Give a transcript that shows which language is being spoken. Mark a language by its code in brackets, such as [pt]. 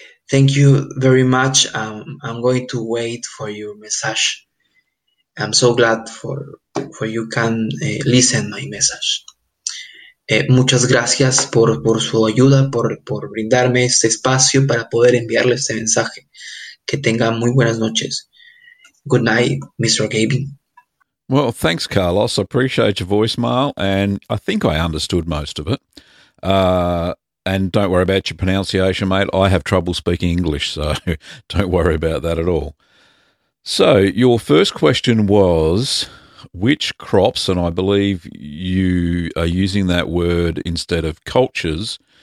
[en] Thank you very much. I'm going to wait for your message. I'm so glad for you can listen my message. [es] Muchas gracias por su ayuda, por brindarme este espacio para poder enviarle este mensaje. Que tenga muy buenas noches. [en] Good night, [es] Mr. Gavin. [en] Well, thanks, Carlos. I appreciate your voicemail, and I think I understood most of it. And don't worry about your pronunciation, mate. I have trouble speaking English, so don't worry about that at all. So your first question was which crops, and I believe you are using that word instead of cultures.